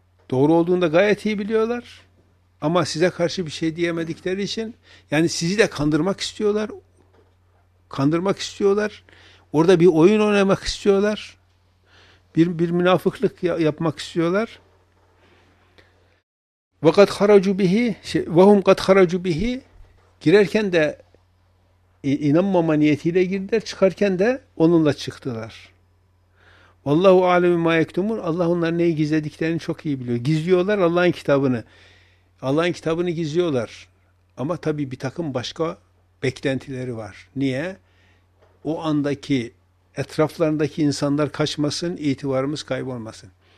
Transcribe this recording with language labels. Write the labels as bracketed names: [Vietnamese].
[Turkish] Doğru olduğunu da gayet iyi biliyorlar. Ama size karşı bir şey diyemedikleri için yani sizi de kandırmak istiyorlar. Kandırmak istiyorlar. Orada bir oyun oynamak istiyorlar. Bir münafıklık yapmak istiyorlar. [Arabic] وَقَدْ خَرَجُوا بِهِ وَهُمْ قَدْ خَرَجُوا بِهِ [Turkish] Girerken de inanmama niyetiyle girdiler. Çıkarken de onunla çıktılar. [Arabic] وَاللّٰهُ عَلَمِ مَا يَكْتُمُونَ [Turkish] Allah onların neyi gizlediklerini çok iyi biliyor. Gizliyorlar Allah'ın kitabını. Allah'ın kitabını gizliyorlar. Ama tabii bir takım başka beklentileri var. Niye? O andaki etraflarındaki insanlar kaçmasın, itibarımız kaybolmasın.